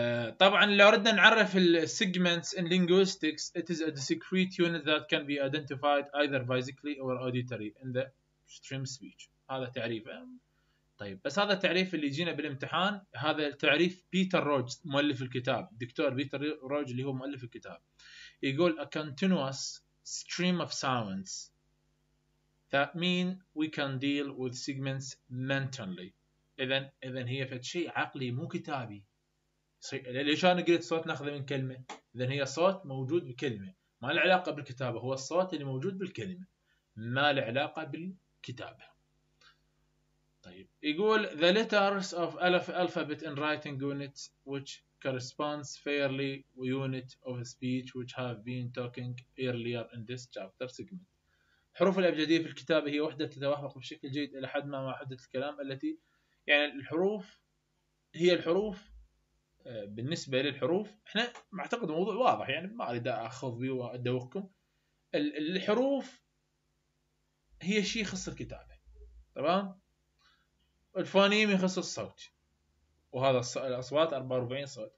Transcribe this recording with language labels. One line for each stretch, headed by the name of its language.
Arabic: طبعا لو ردنا نعرف الـ
English: segments in linguistics it is a discrete unit that can be identified either physically or auditory in the stream speech.
Arabic: هذا تعريف. طيب بس هذا التعريف اللي جينا بالامتحان, هذا تعريف بيتر روج مؤلف الكتاب, دكتور بيتر روج اللي هو مؤلف الكتاب. يقول
English: a continuous stream of sounds that mean we can deal with segments mentally.
Arabic: اذا هي فد شيء عقلي مو كتابي. ليش انا قلت صوت ناخذه من كلمه؟ اذا هي صوت موجود بكلمه ما له علاقه بالكتابه, هو الصوت اللي موجود بالكلمه ما له علاقه بالكتابه. طيب يقول
English: the letters of alphabet in writing units which corresponds fairly with unit of speech which have been talking earlier in this chapter segment.
Arabic: الحروف الأبجدية في الكتابة هي وحدة تتوافق بشكل جيد إلى حد ما مع وحدة الكلام التي, يعني الحروف هي الحروف. بالنسبة للحروف احنا معتقد موضوع واضح, يعني ما أريد أخذ بي وأدوقكم. الحروف هي شيء يخص الكتابة تمام, الفونيم يخص الصوت, وهذا الأصوات 44 صوت.